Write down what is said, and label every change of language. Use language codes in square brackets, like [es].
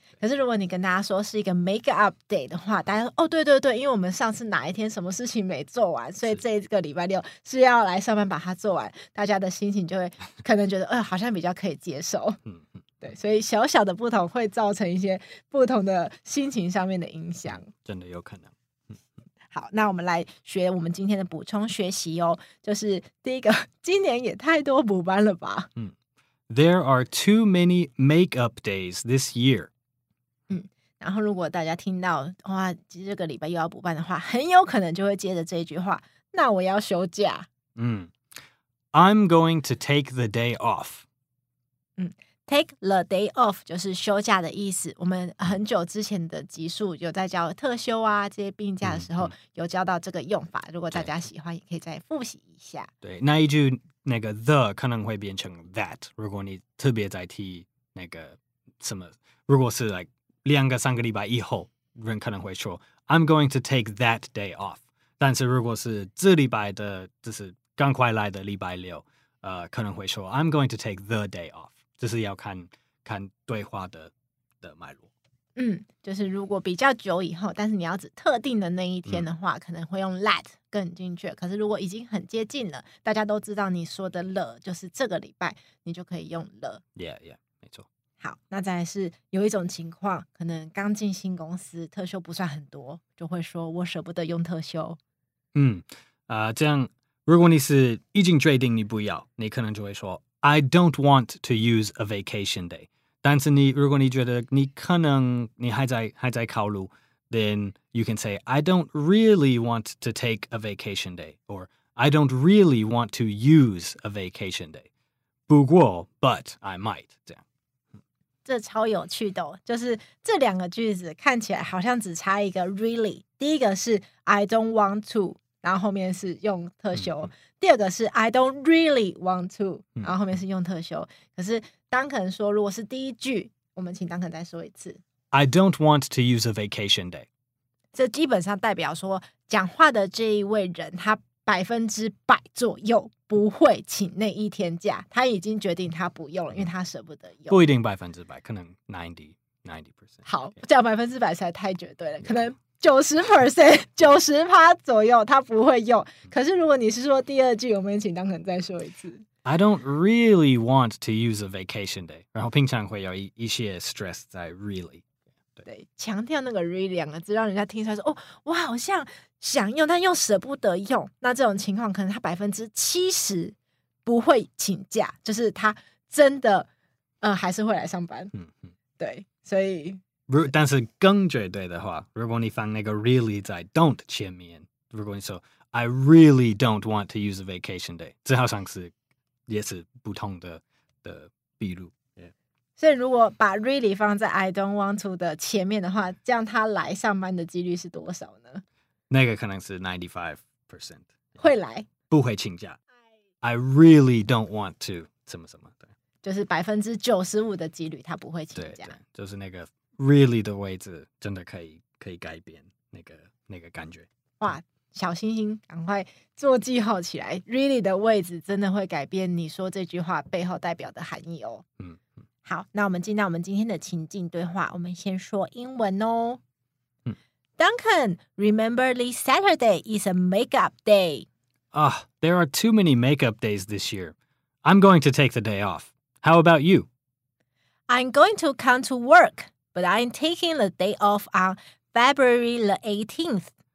[zh] 可是如果你跟大家说是一个 make up day 的话，大家说哦，对对对，因为我们上次哪一天什么事情没做完，所以这个礼拜六是要来上班把它做完，大家的心情就会可能觉得好像比较可以接受。对，所以小小的不同会造成一些不同的心情上面的影响，真的有可能。好，那我们来学我们今天的补充学习哦，就是第一个，今年也太多补班了吧。 [en] There are too many make up days this year. [zh] 然后如果大家听到哇，这个礼拜又要补班的话，很有可能就会接着这句话，那我要休假。 [en] I'm going to take the day off. [zh] Take the day off 就是休假的意思。我们很久之前的集数有在教特休啊，这些病假的时候有教到这个用法，如果大家喜欢也可以再复习一下。对，那一句那个 the 可能会变成 that, 如果你特别在提那个什么，如果是 like 两个三个礼拜以后，人可能会说 [en] I'm going to take that day off, [zh] 但是如果是这礼拜的，就是刚快来的礼拜六，可能会说 [en] I'm going to take the day off, [zh] 就是要看对话的脉络。就是如果比较久以后，但是你要指特定的那一天的话，可能会用 that 更精确。可是如果已经很接近了，大家都知道你说的了，就是这个礼拜，你就可以用了。 [en] Yeah, yeah, [zh] 没错。好，那再来是有一种情况，可能刚进新公司，特休不算很多，就会说我舍不得用特休。这样，如果你是已经决定你不要，你可能就会说 [en] I don't want to use a vacation day. [zh] 但是你如果你觉得你可能你还在考虑 [en] then you can say, I don't really want to take a vacation day, or I don't really want to use a vacation day. [zh] 不过 [en] but I might. [zh] 这样。这超有趣的、哦、就是这两个句子看起来好像只差一个 really. 第一个是 [en] I don't want to, [zh] 然后后面是用特休，第二个是 [en] I don't really want to, [zh] 然后后面是用特休。可是Duncan说，如果是第一句，我们请Duncan再说一次。 [en] I don't want to use a vacation day. [zh] 这基本上代表说，讲话的这一位人，他100%左右不会请那一天假，他已经决定他不用了，因为他舍不得用。不一定100%，可能90%。好，讲100%实在太绝对了，可能。90%左右他不会用。可是如果你是说第二句，我们请Duncan再说一次。 [en] I don't really want to use a vacation day. [zh] 然后平常会有一些 stress 在 really. 对，强调那个 really 两个字，让人家听出来说，哦，我好像想用，但又舍不得用。那这种情况，可能他70%不会请假，就是他真的，还是会来上班。嗯嗯，对，所以。但是更绝对的话，如果你放那个 really 在 don't 前面，如果你说 [en] I really don't want to use a vacation day， [zh] 这好像是也是不同的比如。 [en] Yeah. [zh] 所以如果把 really 放在 I don't want to 的前面的话，这样他来上班的几率是多少呢？那个可能是 95% 会来，不会请假。 [en] I really don't want to [zh] 什么什么，对，就是95%的几率他不会请假，对对，就是那个。 Really 的位置真的可以改变那个感觉。哇，小星星赶快做记号起来。 Really 的位置真的会改变你说这句话背后代表的含义哦。嗯，好，那我们进到我们今天的情境对话，我们先说英文哦。 [en] 嗯， Duncan, remember this Saturday is a makeup day. There are too many makeup days this year. I'm going to take the day off. How about you? I'm going to come to work. But I'm taking the day off on February the 18th.